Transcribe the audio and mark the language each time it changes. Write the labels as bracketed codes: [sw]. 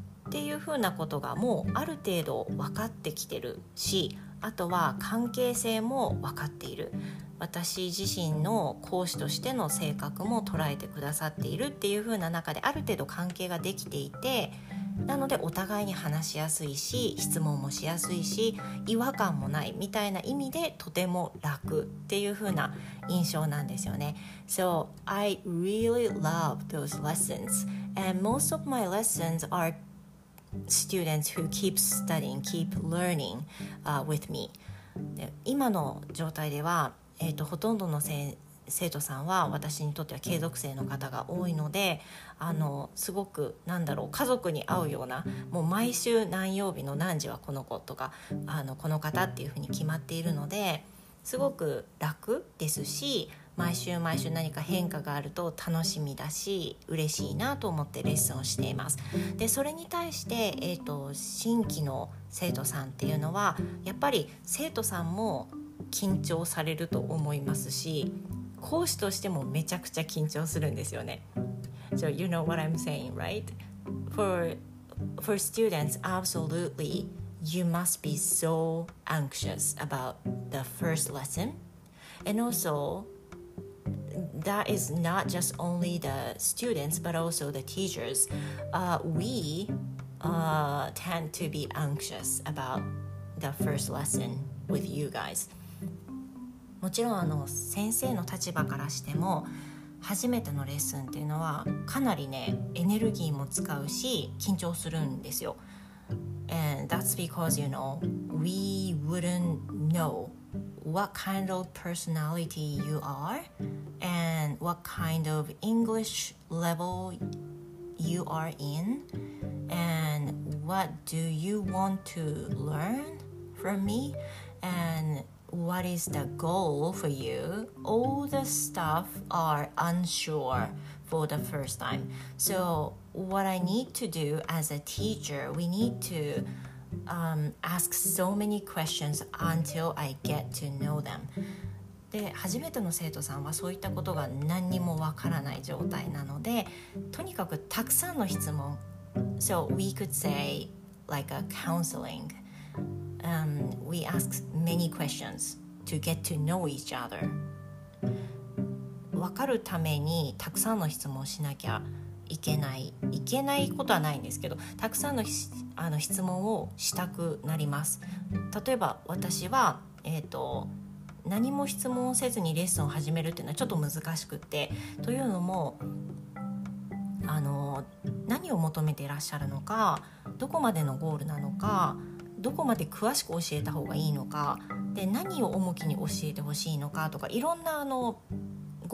[ja] っていうふうなことがもうある程度分かってきてるし、あとは関係性も分かっている、私自身の講師としての性格も捉えてくださっているっていうふうな中で、ある程度関係ができていて、なのでお互いに話しやすいし、質問もしやすいし、違和感もないみたいな意味でとても楽っていうふうな印象なんですよね。 [en] So I really love those lessons and most of my lessons areStudents who keep studying, keep learning, with me. [ja] 今の状態では、ほとんどの生徒さんは私にとっては継続生の方が多いので、すごくなんだろう、家族に会うような、もう毎週何曜日の何時はこの子とか、この方っていうふうに決まっているので、すごく楽ですし、毎週毎週何か変化があると楽しみだし嬉しいなと思ってレッスンをしています。で、それに対して、新規の生徒さんっていうのはやっぱり生徒さんも緊張されると思いますし、講師としてもめちゃくちゃ緊張するんですよね。 [en] So you know what I'm saying, right? For students, absolutely you must be so anxious about the first lesson. And alsoThat is not just only the students, but also the teachers. We tend to be anxious about the first lesson with you guys. [ja] もちろん先生の立場からしても、初めてのレッスンっていうのはかなりね、エネルギーも使うし緊張するんですよ。 [en] And that's because, you know, we wouldn't knowWhat kind of personality you are and what kind of English level you are in and what do you want to learn from me and what is the goal for you, all the stuff are unsure for the first time. So what I need to do as a teacher, we need toask so many questions until I get to know them. [ja] で、初めての生徒さんはそういったことが何にもわからない状態なので、とにかくたくさんの質問、 [en] So we could say like a counseling. We ask many questions to get to know each other. [ja] わかるためにたくさんの質問しなきゃいけない、いけないことはないんですけど、たくさんの質問をしたくなります。例えば私は、何も質問せずにレッスンを始めるっていうのはちょっと難しくって、というのも何を求めていらっしゃるのか、どこまでのゴールなのか、どこまで詳しく教えた方がいいのか、で何を重きに教えてほしいのかとか、いろんなご